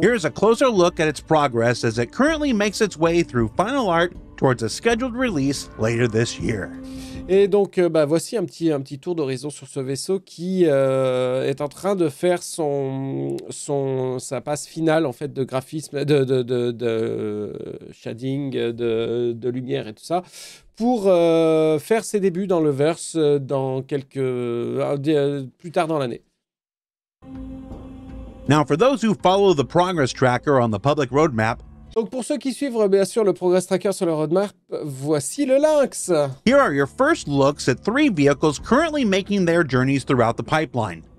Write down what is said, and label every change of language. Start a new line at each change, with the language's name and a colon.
English: Here's a closer look at its progress as it currently makes its way through final art towards a scheduled release later this year.
French: Et donc, bah, voici un petit tour d'horizon sur ce vaisseau qui est en train de faire sa passe finale en fait de graphisme, de shading, de lumière et tout ça, pour faire ses débuts dans le verse dans plus tard dans l'année.
English: Now, for those who follow the progress tracker on the public roadmap.
French: Donc pour ceux qui suivent bien sûr le progress tracker sur le roadmap, voici le Lynx.
English: Here are your first looks at three vehicles currently making their journeys throughout the pipeline.